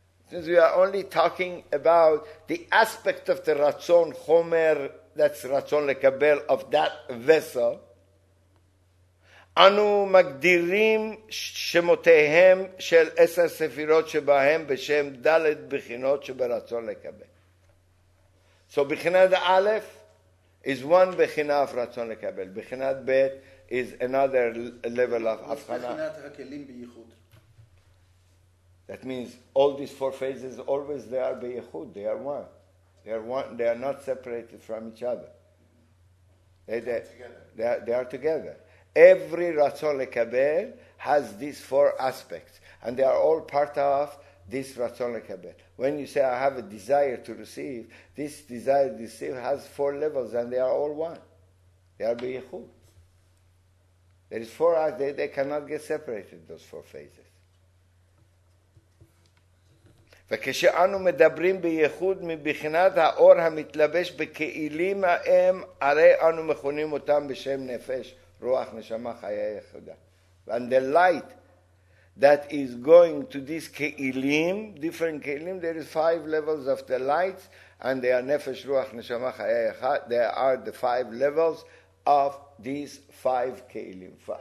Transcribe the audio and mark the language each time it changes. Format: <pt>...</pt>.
<en>since we are only talking about the aspect of the</en> <he>רצון חומר,</he> <en>that's</en> <he>רצון לקבל</he> <en>of that vessel,</en> <he>אנו מגדירים שמותיהם של 10 ספירות שבהם בשם דלת בחינות שברצון לקבל.</he> <en>So, בחינת א' is one בחינה of רצון לקבל. בחינת ב' is another level of הבחנה.</en> <he>בחינת הכלים בייחוד.</he> <en>That means all these four phases, always they are בייחוד. They are one. They are one. They are not separated from each other. They are together. Every Ratzon Lekabel has these four aspects, and they are all part of this Ratzon Lekabel. When you say, I have a desire to receive, this desire to receive has four levels, and they are all one. They are B'yichud. There is four, they cannot get separated, those four phases.</en> <he>וכשאנו מדברים בייחוד מבחינת האור המתלבש בכלים האם, הרי אנו מכונים אותם בשם נפש. רוח נשמה חיה יחידה.</he> <en>And the light that is going to these כלים, different כלים, there is five levels of the lights, and they are נפש, רוח, נשמה, חיה יחידה. They are the five levels of these five כלים.</en>